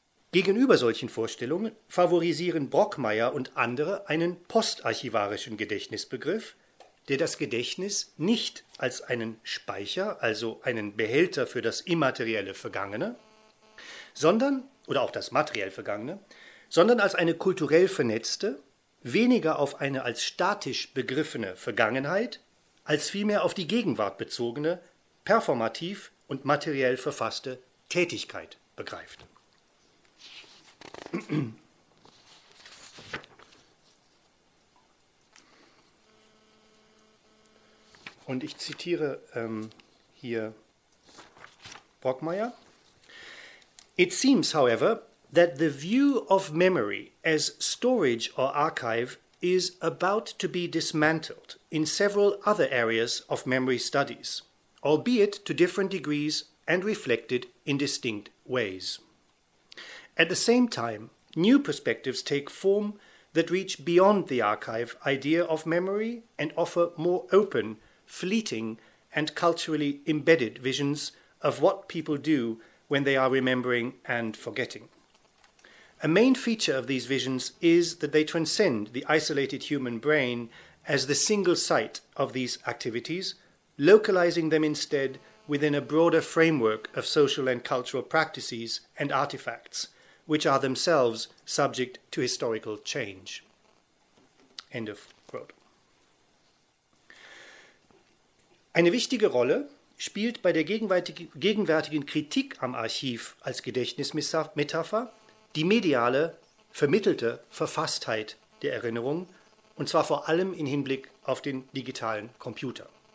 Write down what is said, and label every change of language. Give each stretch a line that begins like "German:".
German: Gegenüber solchen Vorstellungen favorisieren Brockmeier und andere einen postarchivarischen Gedächtnisbegriff, der das Gedächtnis nicht als einen Speicher, also einen Behälter für das immaterielle Vergangene, sondern, oder auch das materiell Vergangene, sondern als eine kulturell vernetzte, weniger auf eine als statisch begriffene Vergangenheit, als vielmehr auf die Gegenwart bezogene, performativ und materiell verfasste Tätigkeit begreift. Und ich zitiere hier Brockmeier.
English: "It seems, however, that the view of memory as storage or archive is about to be dismantled in several other areas of memory studies, albeit to different degrees and reflected in distinct ways. At the same time, new perspectives take form that reach beyond the archive idea of memory and offer more open, fleeting, and culturally embedded visions of what people do when they are remembering and forgetting. A main feature of these visions is that they transcend the isolated human brain as the single site of these activities, localizing them instead within a broader framework of social and cultural practices and artifacts, which are themselves subject to historical change." End of quote.
German: Eine wichtige Rolle spielt bei der gegenwärtigen Kritik am Archiv als Gedächtnismetapher die mediale, vermittelte Verfasstheit der Erinnerung, und zwar vor allem im Hinblick auf den digitalen Computer.